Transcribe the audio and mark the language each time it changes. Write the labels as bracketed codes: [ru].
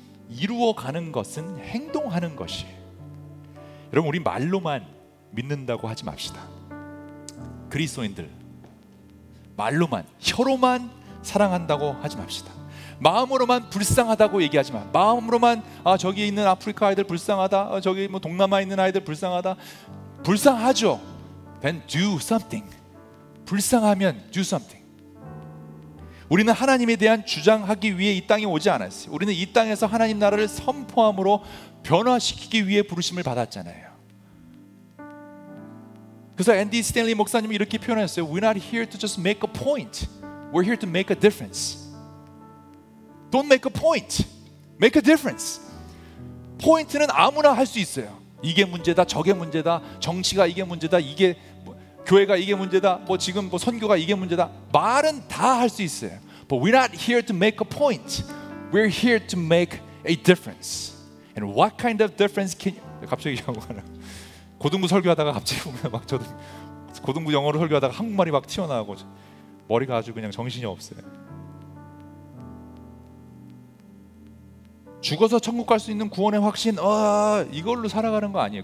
[ko] 이루어가는 것은 행동하는 것이에요. 여러분 우리 말로만 믿는다고 하지 맙시다. 그리스도인들 말로만 혀로만 사랑한다고 하지 맙시다. 마음으로만 불쌍하다고 얘기하지 마. 마음으로만 아 저기 있는 아프리카 아이들 불쌍하다, 아 저기 뭐 동남아 있는 아이들 불쌍하다. 불쌍하죠. [en] Then do something. [ko] 불쌍하면 [en] do something. [ko] 우리는 하나님에 대한 주장하기 위해 이 땅에 오지 않았어요. 우리는 이 땅에서 하나님 나라를 선포함으로 변화시키기 위해 부르심을 받았잖아요. 그래서 앤디 스탠리 목사님이 이렇게 표현했어요. [en] We're not here to just make a point. We're here to make a difference. Don't make a point. Make a difference. [ko] 포인트는 아무나 할 수 있어요. 이게 문제다, 저게 문제다, 정치가 이게 문제다, 이게 교회가 이게 문제다, 뭐 지금 뭐 선교가 이게 문제다, 말은 다 할 수 있어요. [en] But we're not here to make a point. We're here to make a difference. And what kind of difference can you... [ko] 갑자기 영어가 고등부 설교하다가 갑자기 보면 막 저도 고등부 영어로 설교하다가 한국말이 막 튀어나오고 머리가 아주 그냥 정신이 없어요. 죽어서 천국 갈 수 있는 구원의 확신, 이걸로 살아가는 거 아니에요.